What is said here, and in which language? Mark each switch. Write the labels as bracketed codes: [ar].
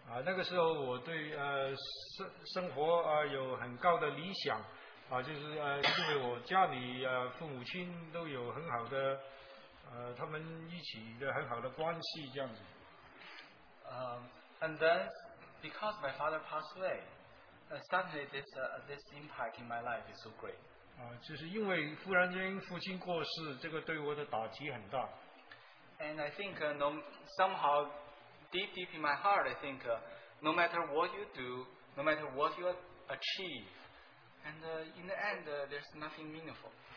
[zh] 那个时候我对生活有很高的理想，就是因为我家里父母亲都有很好的，他们一起的很好的关系这样子。 [en] And then, because my father passed away, suddenly this impact in my life is so great. [zh] 就是因为忽然间父亲过世，这个对我的打击很大。 [en] And I think somehow deep in my heart, I think. No matter what you do, no matter what you achieve, and in the end, there's nothing meaningful.